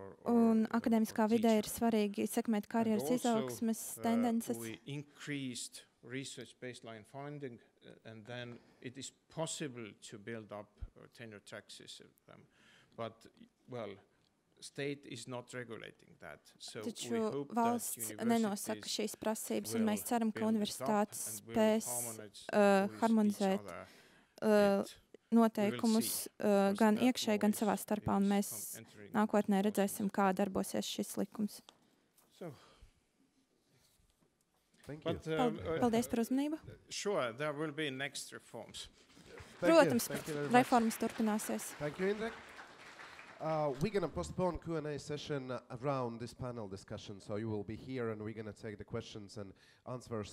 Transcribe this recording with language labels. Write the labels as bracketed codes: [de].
[lv] Un akadēmiskā vidē ir svarīgi sekmēt karjeras izaugsmes tendences. [en] Research baseline funding and then it is possible to build up tenure track system, but well, state is not regulating that, so [lv] taču [en] we hope [lv] valsts [en] that [lv] nenosaka šīs prasības, un mēs ceram, ka universitātes spēs harmonizēt noteikumus gan iekšēji, gan savā starpā, un mēs nākotnē redzēsim, kā darbosies šis likums. [en] So. Thank you. [lv] Paldies par uzmanību. [en] Sure, there will be next reforms. [lv] Protams, reformas turpināsies. [en] Thank you, Indrek. We're going to postpone Q&A session around this panel discussion, so you will be here and we're going to take the questions and answers.